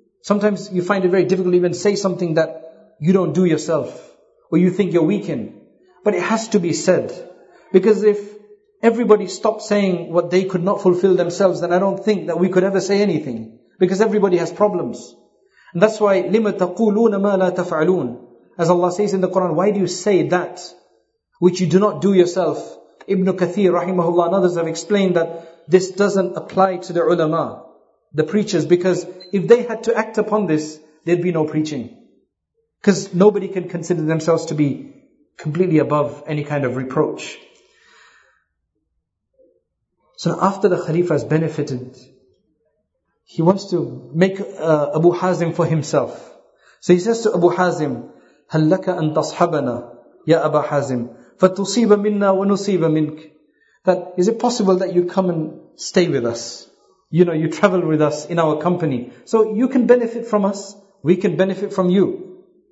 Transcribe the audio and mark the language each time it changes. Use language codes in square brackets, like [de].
[en] Sometimes you find it very difficult to even say something that you don't do yourself, or you think you're weak in. But it has to be said. Because if everybody stopped saying what they could not fulfill themselves, then I don't think that we could ever say anything. Because everybody has problems. And that's why, [ar] لِمَ تَقُولُونَ مَا لَا تَفْعَلُونَ. [en] As Allah says in the Quran, why do you say that which you do not do yourself? Ibn Kathir, rahimahullah, and others have explained that this doesn't apply to the ulama, the preachers, because if they had to act upon this, there'd be no preaching. Because nobody can consider themselves to be completely above any kind of reproach. So after the Khalifa has benefited, he wants to make Abu Hazim for himself. So he says to Abu Hazim, [ar] هَلْ لَكَ أَن تَصْحَبَنَا يَا أَبَا حَازِمْ فَتُصِيبَ مِنَّا وَنُصِيبَ مِنْكَ. [en] That is it possible that you come and stay with us? You know, you travel with us in our company. So you can benefit from us, we can benefit from you.